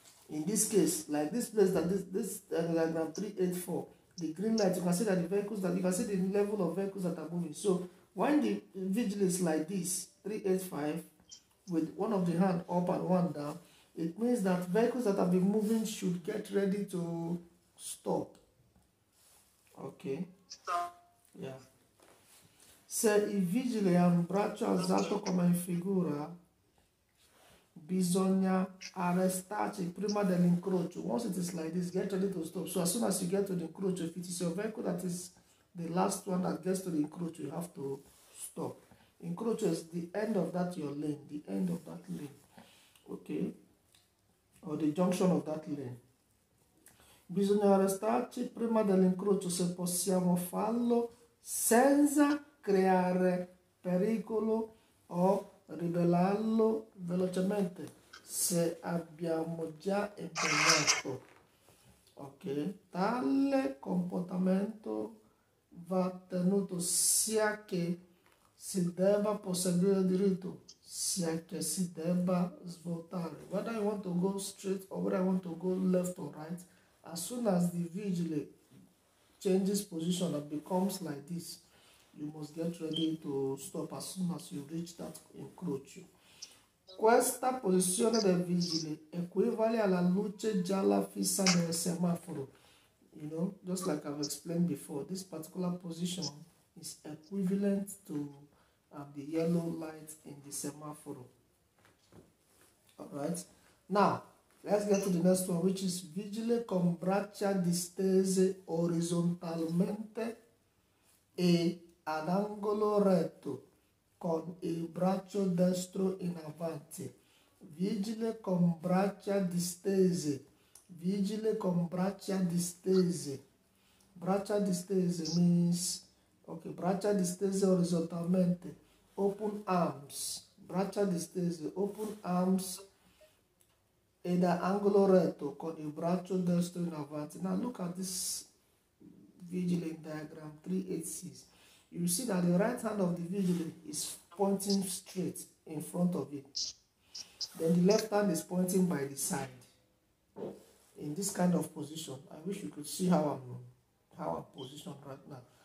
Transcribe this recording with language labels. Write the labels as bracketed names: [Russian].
[English] In this case, like this place, that this diagram 384, the green light, you can see that the vehicles that you can see the level of vehicles that are moving. So when the vigil is like this, 385, with one of the hand up and one down, it means that vehicles that have been moving should get ready to stop. Okay. Stop. Yeah. [Italian] Se il vigile ha un braccio alzato come in figura, bisogna arrestarci prima dell'incrocio. [English] Once it is like this, get ready to stop. So as soon as you get to the incrocio, if it is your vehicle that is the last one that gets to the incrocio, you have to stop. Incrocio is the end of that your lane, the end of that lane, okay, or the junction of that lane. [Italian] Bisogna arrestarci prima dell'incrocio se possiamo farlo senza creare pericolo o rivelarlo velocemente se abbiamo già imparato. Ok, tale comportamento va tenuto sia che si debba proseguire diritto sia che si debba svoltare. [English] Whether I want to go straight or whether I want to go left or right, as soon as the vigile changes position and becomes like this, you must get ready to stop as soon as you reach that incrocio. [Italian] Questa posizione del vigile equivale alla luce gialla fissa del semaforo. [English] You know, just like I've explained before, this particular position is equivalent to the yellow light in the semaforo. Alright, now let's get to the next one, which is [Italian] vigile con braccia distese orizzontalmente e ad angolo retto con il braccio destro in avanti. Vigile con braccia distese. Vigile con braccia distese. Braccia distese [English] means, okay, [Italian] braccia distese orizzontalmente. [English] Open arms. [Italian] Braccia distese. [English] Open arms. [Italian] E da angolo retto con il braccio destro in avanti. [English] Now look at this vigilant diagram 386. You see that the right hand of the vigilant is pointing straight in front of it. Then the left hand is pointing by the side. In this kind of position, I wish you could see how I'm positioned right now.